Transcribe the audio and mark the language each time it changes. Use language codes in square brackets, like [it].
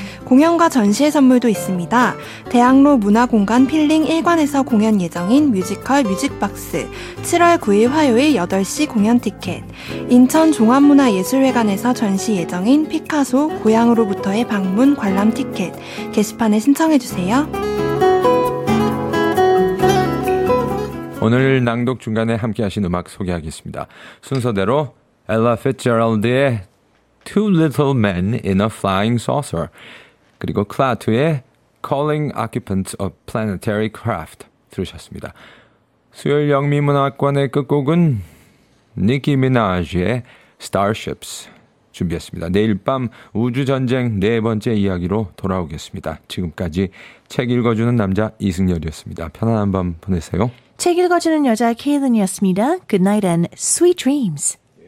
[ko] 공연과 전시의 선물도 있습니다. 대학로 문화공간 필링 1관에서 공연 예정인 뮤지컬 뮤직박스, 7월 9일 화요일 8시 공연 티켓, 인천 종합문화예술회관에서 전시 예정인 피카소 고향으로부터의 방문 관람 티켓, 게시판에 신청해주세요. 오늘 낭독 중간에 함께하신 음악 소개하겠습니다. 순서대로 Ella Fitzgerald의 Two Little Men in a Flying Saucer, 그리고 클라투의 Calling Occupants of Planetary Craft 들으셨습니다. 수요일 영미문학관의 끝곡은 니키 미나지의 Starships 준비했습니다. 내일 밤 우주전쟁 네 번째 이야기로 돌아오겠습니다. 지금까지 책 읽어주는 남자 이승열이었습니다. 편안한 밤 보내세요. 책 읽어주는 여자 케일린이었습니다. [en] Good night and sweet dreams.